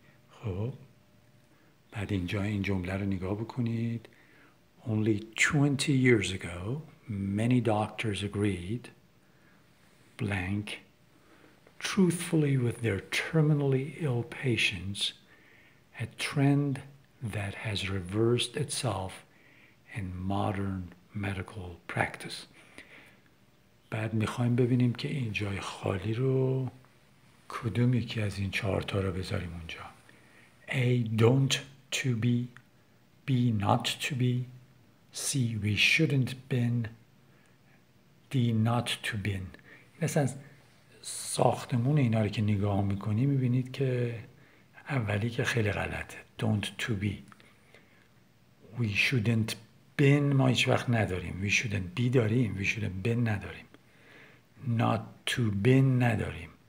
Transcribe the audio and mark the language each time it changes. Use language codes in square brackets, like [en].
[fa] خب بعد اینجا این جمله رو نگاه بکنید. [en] Only 20 years ago, many doctors agreed blank truthfully with their terminally ill patients, a trend that has reversed itself in modern medical practice. [fa] بعد میخوایم ببینیم که این جای خالی رو کدوم یکی از این چهار تا رو بذاریم اونجا. [en] A don't to be, B not to be, C we shouldn't been, D not to been. [fa] مثلا ساختمون اینا رو که نگاه میکنی میبینید که اولی که خیلی غلطه. [en] Don't to be. We shouldn't been [fa] ما هیچ وقت نداریم. [en] We shouldn't be [fa] داریم. [en] We shouldn't been [fa] نداریم. [en] Not to been نداریم.